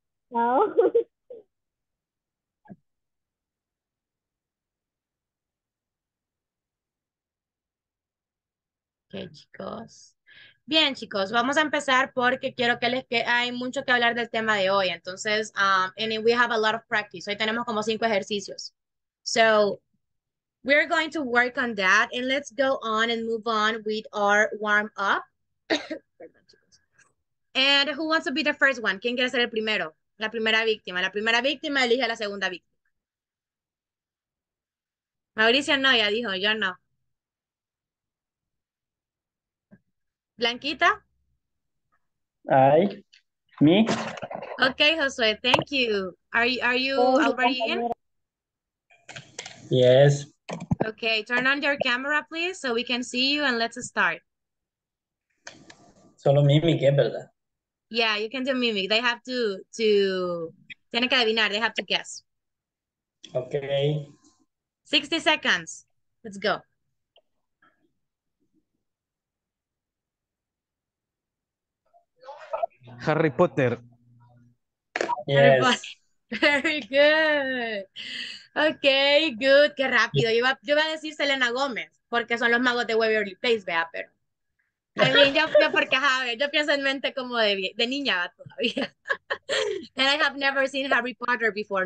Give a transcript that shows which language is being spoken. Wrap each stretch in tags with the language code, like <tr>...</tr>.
<es>No. Okay, chicos. Bien, chicos, vamos a empezar porque quiero que les quede. Hay mucho que hablar del tema de hoy. Entonces,</es> <en>and we have a lot of practice.</en> <es>Hoy tenemos como cinco ejercicios.</es> <en>So, we're going to work on that and let's go on and move on with our warm up.</en> <es>Perdón, chicos.</es> <en>And who wants to be the first one?</en> <es>¿Quién quiere ser el primero? La primera víctima. La primera víctima elige a la segunda víctima. Mauricio no, ya dijo, yo no. Blanquita. Ay, mí.</es> <en>Okay, Josué, thank you. Are you</en> <es>Sí, mi</es> <en>already in?</en> <es>compañera.</es> <en>Yes. Okay, turn on your camera, please, so we can see you and let's start.</en> <es>Solo mimi, ¿qué es verdad?</es> <en>Yeah, you can do mimic. They have to</en> <es>tiene que adivinar,</es> <en>they have to guess. Okay. 60 seconds. Let's go. Harry Potter. Harry Potter. Very good. Okay, good.</en> <es>Qué rápido. Yo iba a decir Selena Gómez, porque son los magos de Waverly Place, vea, pero.</es> <en>I mean,</en> <es>yo porque, ajá, yo pienso en mente como de niña todavía.</es> <en>And I have never seen Harry Potter before.</en>